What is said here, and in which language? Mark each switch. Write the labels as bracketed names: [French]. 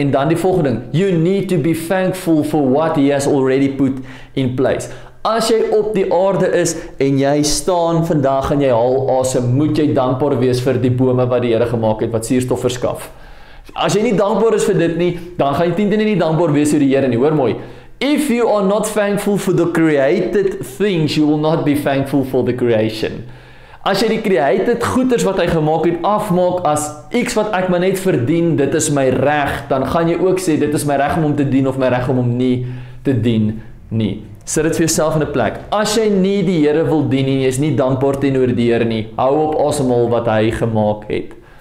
[Afrikaans] En dan die volgende ding, [English] you need to be thankful for what he has already put in place. [Afrikaans] As jy op die aarde is en jy staan vandag en jy haal asem, moet jy dankbaar wees vir die bome wat die Here gemaak het, wat suurstof verskaf. As jy nie dankbaar is vir dit nie, dan gaan jy tenminste nie dankbaar wees vir die Here nie, hoor mooi. [English] If you are not thankful for the created things, you will not be thankful for the creation. [Afrikaans] As jy die created goeders wat hy gemaak het afmaak as iets wat ek maar net verdien, dit is my reg, dan gaan jy ook sê, dit is my reg om hom te dien of my reg om hom nie te dien nie. Sit dit vir jouself in 'n plek. As jy nie die Here wil dien nie, jy is nie dankbaar teenoor die Here nie, hou op asemhaal wat hy gemaak het.